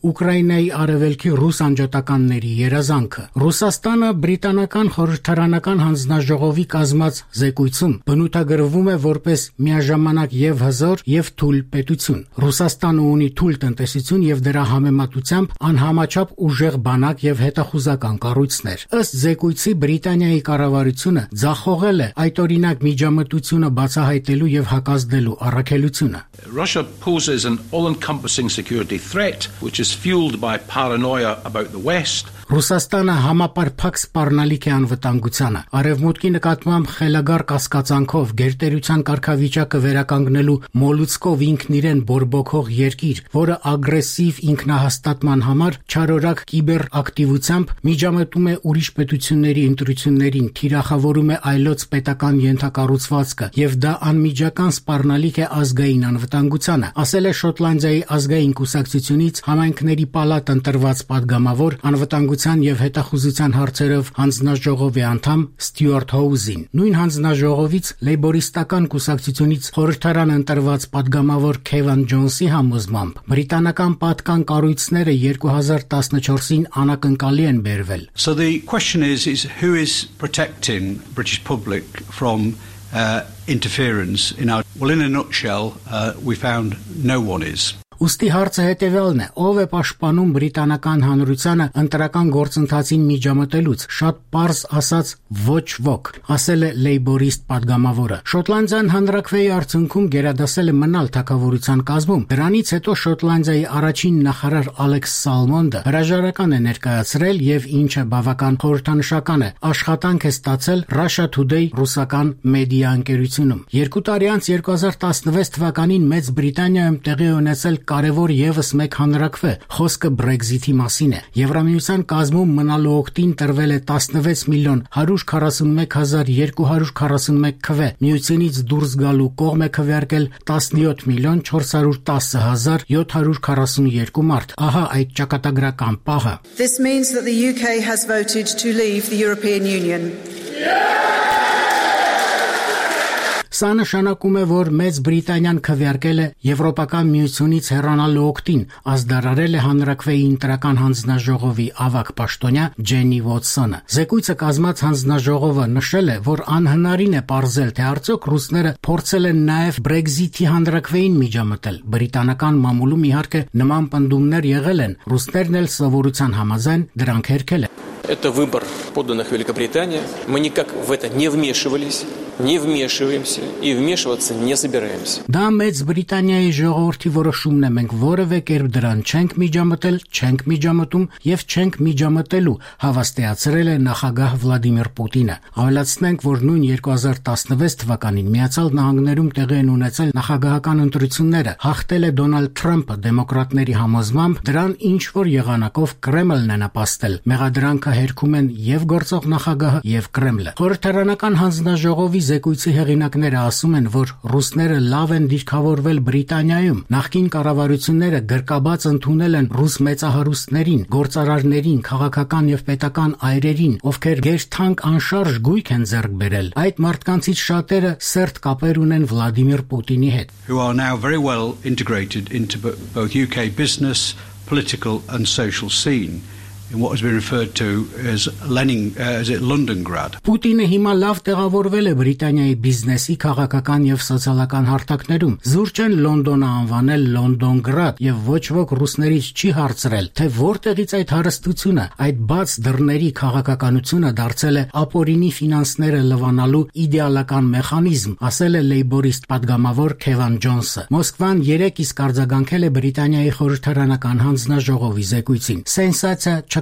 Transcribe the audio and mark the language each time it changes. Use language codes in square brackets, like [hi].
[hy] Ուկրաինայի արևելքի ռուս անջատականների երազանքը։ Ռուսաստանը բրիտանական խորհրդարանական հանձնաժողովի կազմած զեկույցում բնութագրվում է որպես միաժամանակ և հզոր և թույլ պետություն։ Ռուսաստանը ունի թույլ տնտեսություն և դրա համեմատությամբ անհամաչափ ուժեղ բանակ և հետախուզական կառույցներ։ Ըստ զեկույցի, Բրիտանիայի կառավարությունը ձախողել է այդ օրինակ միջամտությունը բացահայտելու և հակազդելու առաքելությունը։ [en] Russia poses an all-encompassing security threat, which is fueled by paranoia about the West. [hy] Ռուսաստանը համապարփակ սպառնալիք է անվտանգությանը, արևմուտքի նկատմամբ խելագար կասկածանքով, գերտերության կարգավիճակը վերականգնելու մոլուցկով ինքն իրեն բորբոքող երկիր, որը ագրեսիվ ինքնահաստատման համար չարորակ կիբերակտիվությամբ միջամտում է ուրիշ պետությունների ընտրություններին, թիրախավորում է այլոց պետական ենթակառուցվածքը, և դա անմիջական սպառնալիք է ազգային անվտանգությանը, ասել է Շոտլանդիայի ազգային կուսակցությունից համայնքների պալատ ընտրված պատգամավոր անվտանգ և հետախուզության հարցերով հանձնաժողովի անդամ Ստյուարտ Հոուզին։ Նույն հանձնաժողովից լեյբորիստական կուսակցությունից խորհրդարան ընտրված պատգամավոր Քևան Ջոնսի համոզմամբ բրիտանական պատկան կառույցները 2014-ին անակնկալի են բերվել։ [en] So the question is who is protecting British public from interference in our well in a nutshell we found no one is. [hy] Ուստի հարցը հետևյալն է. ով է պաշտպանում բրիտանական հանրությանը ընտրական գործընթացին միջամտելուց, շատ պարզ ասած ոչ ոք, ասել է լեյբորիստ պատգամավորը։ Շոտլանդիան հանրաքվեի արդյունքում գերադասել է մնալ թագավորության կազմում, դրանից հետո Շոտլանդիայի առաջին նախարար Ալեքս Սալմոնդը հրաժարական է ներկայացրել և, ինչը բավական խորհրդանշական է, աշխատանք է ստացել Russia Today ռուսական մեդիա ընկերությունում։ Երկու տարի անց 2016 թվականին Մեծ Բրիտանիայում տեղի ունեցել կարևոր եւս մեկ հանրաքվե, խոսքը Brexit-ի մասին է։ Եվրամիության կազմում մնալու օգտին տրվել է 16,141,241 քվե, միությունից դուրս գալու կողմը քվեարկել 17,410,742 մարդ։ Ահա այդ ճակատագրական պահը։ [en] This means that the UK has voted to leave the European Union. [hy] Սա նշանակում է, որ Մեծ Բրիտանիան քվեարկել է Եվրոպական Միությունից հեռանալու օգտին, ազդարարել է հանրաքվեի ընտրական հանձնաժողովի ավագ պաշտոնյա Ջենի Ուոտսոնը։ Զեկույցը կազմած հանձնաժողովը նշել է, որ անհնարին է պարզել, թե արդյոք ռուսները փորձել են նաև Brexit-ի հանրաքվեին միջամտել։ Բրիտանական մամուլում իհարկե նման պնդումներ եղել են, ռուսներն էլ սովորության համաձայն դրանք հերքել են։ [ru] Это выбор подданных Великобритании. Мы никак в это не вмешивались, не вмешиваемся и вмешиваться не собираемся. [hy] Да, Մեծ Բրիտանիայի ժողովրդի որոշումն է, մենք որևէ կերպ դրան չենք միջամտել, չենք միջամտում եւ չենք միջամտելու, հավաստիացրել է նախագահ Վլադիմիր Պուտինը։ Ավելացնենք, որ նույն 2016 թվականին Միացյալ Նահանգներում տեղի են ունեցել նախագահական ընտրությունները, հաղթել է Դոնալդ Թրամփը դեմոկրատների համոզմամբ, դրան ինչ որ եղանակով Կրեմլն է նապաստել։ Մեղադրանք հերքում են և գործող նախագահը և Կրեմլը։ Խորհրդարանական հանձնաժողովի զեկույցի հեղինակները ասում են, որ ռուսները լավ են դիրքավորվել Բրիտանիայում, նախկին կառավարությունները գրկաբաց ընդունել են ռուս մեծահարուստներին, գործարարներին, քաղաքական և պետական այրերին, ովքեր գերթանք անշարժ գույք են ձեռք բերել։ Այդ մարդկանցից շատերը սերտ կապեր ունեն Վլադիմիր Պուտինի հետ։ [en] Who are now very well integrated into both UK business, political and social scene. In what has been referred to as Leningrad. [hy] Պուտինը հիմա լավ տեղավորվել է Բրիտանիայի բիզնեսի, քաղաքական եւ սոցիալական հարթակներում։ Զուրջ են Լոնդոնը անվանել Լոնդոնգրադ եւ ոչ ոք ռուսներից չի հարցրել, թե որտեղից այդ հարստությունը, այդ բաց դռների քաղաքականությունը դարձել է ապօրինի ֆինանսները լվանալու իդեալական մեխանիզմ, ասել է լեյբորիստ պատգամավոր Քևան Ջոնսը։ Մոսկվան 3 իսկ արձագանքել է Բրիտանիայի խորհրդարանական հանձնաժողովի զեկույցին։ Սենսացիա